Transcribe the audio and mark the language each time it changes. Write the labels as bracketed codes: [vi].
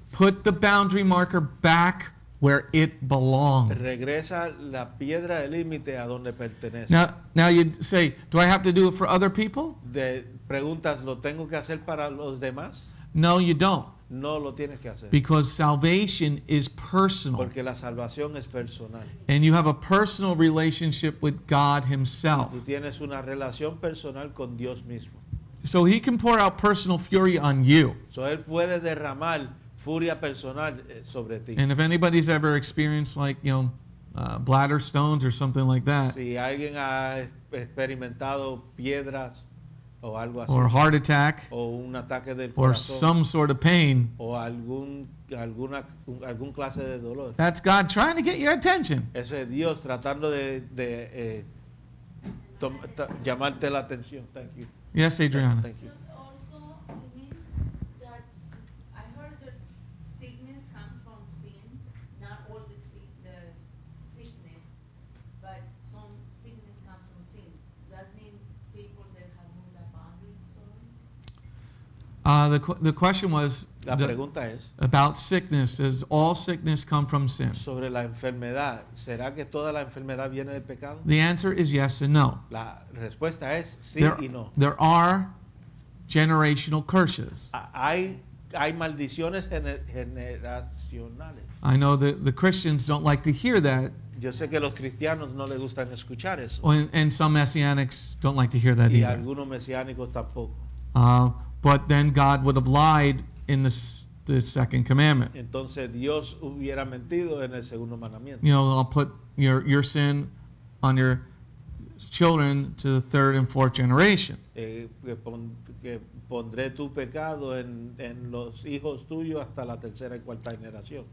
[en] Put the boundary marker back where it belongs. [es] Regresa la piedra de límite a donde pertenece. [en] Now you say, do I have to do it for other people? [es] De preguntas, ¿lo tengo que hacer para los demás? [en] No, you don't. [es] No lo tienes que hacer. [en] Because salvation is personal. [es] Porque la salvación es personal. [en] And you have a personal relationship with God himself. [es] Y tienes una relación personal con Dios mismo. [en] So he can pour out personal fury on you. [es] So él puede derramar furia personal sobre ti. [en] And if anybody's ever experienced bladder stones or something like that. [es] Si alguien ha experimentado piedras. [en] Or heart attack, [es] o un ataque del corazón, [en] or some sort of pain, [es] o algún clase de dolor. [en] That's God trying to get your attention. [es] Eso es Dios tratando de llamarte la atención. [en] Thank you. Yes, Adriana. Thank you. Also, it means that I heard that sickness comes from sin, not all the sickness, but some sickness comes from sin. That means people that have moved that boundary story. The question was about sickness. Does all sickness come from sin? [es] Sobre la enfermedad, ¿será que toda la enfermedad viene del pecado? [en] The answer is yes and no. [es] La respuesta es sí y no. [en] There are generational curses. [es] Hay maldiciones generacionales. [en] I know that the Christians don't like to hear that. [es] Yo sé que los cristianos no les gustan escuchar eso. [en] And some messianics don't like to hear that [es] y [en] either. [es] Y algunos mesiánicos tampoco. [en] But then God would have lied in the second commandment. [es] Entonces, Dios hubiera mentido en el segundo mandamiento. [en] You know, I'll put your sin on your children to the third and fourth generation. [es] Que pondré tu pecado en los hijos tuyos hasta la tercera y cuarta generación.